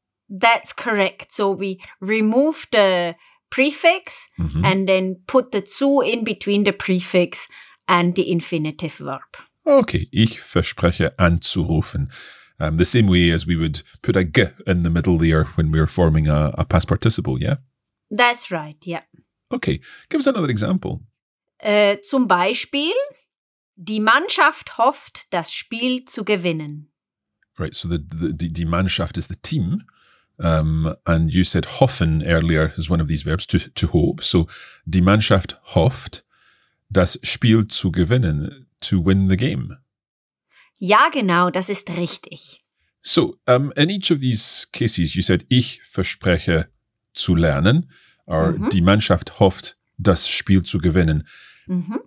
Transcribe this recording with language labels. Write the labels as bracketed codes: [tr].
[en] That's correct. So we remove the prefix and then put the zu in between the prefix and the infinitive verb. [de] Okay, ich verspreche anzurufen. [en] The same way as we would put a g in the middle there when we're forming a past participle, yeah? That's right, yeah. Okay, give us another example. [de] Zum Beispiel, die Mannschaft hofft, das Spiel zu gewinnen. [en] Right, so the Mannschaft is the team. And you said hoffen earlier is one of these verbs, to hope. So [de] die Mannschaft hofft, das Spiel zu gewinnen, [en] to win the game. [de] Ja, genau, das ist richtig. [en] So, in each of these cases, you said, [de] ich verspreche zu lernen, [en] or [de] die Mannschaft hofft, das Spiel zu gewinnen. [en] Mm-hmm.